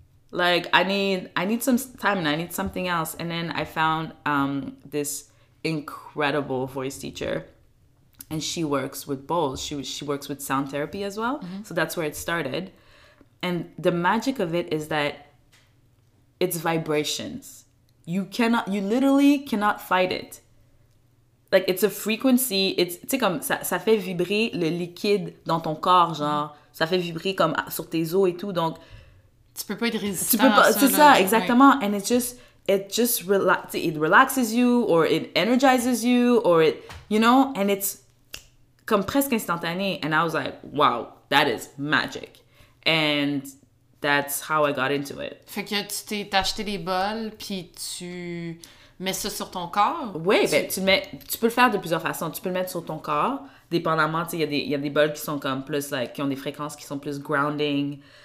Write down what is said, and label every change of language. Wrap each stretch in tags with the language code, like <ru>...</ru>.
<en>Like I need some time and I need something else. And then I found, this incredible voice teacher. And she works with bowls. She works with sound therapy as well. Mm-hmm. So that's where it started. And the magic of it is that it's vibrations. You literally cannot fight it. Like, it's a frequency.</en> <fr>It's, tu sais, comme ça fait vibrer le liquide dans ton corps, genre. Mm-hmm. Ça fait vibrer comme sur tes os et tout. Donc, tu peux pas être résistant à ça. C'est ça, exactement. Point.</fr> <en>And it relaxes you, or it energizes you, or it, you know, and it's</en> <fr>comme presque instantané.</fr> <en>And I was like, wow, that is magic. And that's how I got into it.</en> <fr>Fait que tu t'es acheté des bols, puis tu mets ça sur ton corps? Oui, ben, tu peux le faire de plusieurs façons. Tu peux le mettre sur ton corps, dépendamment, tu sais, il y a des bols qui sont comme plus, like, qui ont des fréquences qui sont plus grounding.</fr>